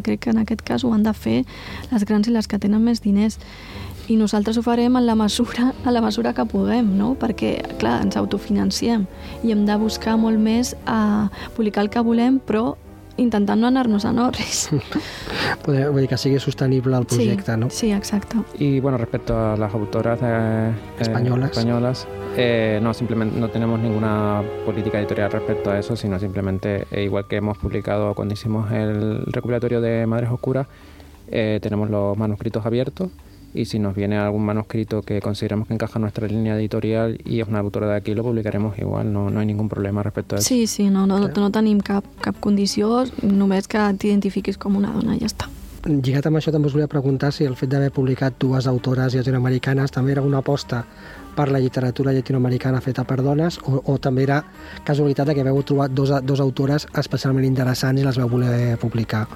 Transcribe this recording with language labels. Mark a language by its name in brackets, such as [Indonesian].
[Catalan] Crec que en aquest cas ho han de fer les grans i les que tenen més diners. I nosaltres ho farem a la mesura que puguem, no? Perquè, clar, ens autofinanciem i hem de buscar molt més a publicar el que volem, però intentant no anar-nos a Norris. Vull dir que sigui sostenible el projecte, sí, no? Sí, exacte. [Spanish] I, bueno, respecto a les autores españolas, no, simplemente no tenemos ninguna política editorial respecto a eso, sino simplemente, igual que hemos publicado cuando hicimos el recopilatorio de Madres Oscuras, tenemos los manuscritos abiertos. Y si nos viene algún manuscrito que consideramos que encaja en nuestra línea editorial y es una autora de aquí, lo publicaremos igual, no hay ningún problema respecto a eso. [Catalan] Sí, sí, no tenim cap condició, només que t'identifiquis com una dona, ja està. Lligat amb això, també us volia preguntar si el fet d'haver publicat dues autores llatinoamericanes també era una aposta per la literatura llatinoamericana feta per dones o també era casualitat que vau trobar dos autores especialment interessants i les vau voler publicar.